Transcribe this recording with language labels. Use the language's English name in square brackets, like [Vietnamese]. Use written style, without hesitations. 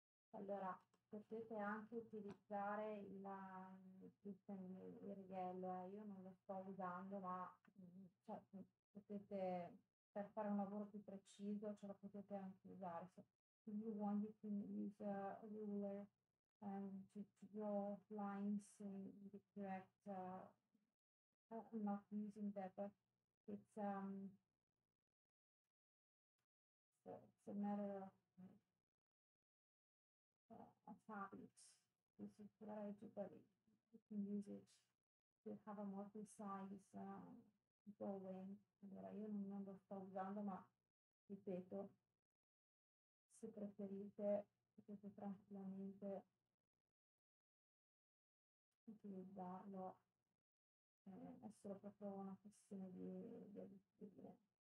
[Italian] Allora, potete anche utilizzare il righello, io non lo sto usando, ma cioè, potete, per fare un lavoro più preciso, ce la potete anche usare. [English] So, if you want, you can use a ruler to draw lines in the correct, I'm not using that, but it's a matter of, a habit. This is what I do, but you can use it to have a more precise drawing. [Italian] Allora, io non lo sto usando, ma ripeto, se preferite potete tranquillamente utilizzarlo. È solo proprio una questione di abitudine.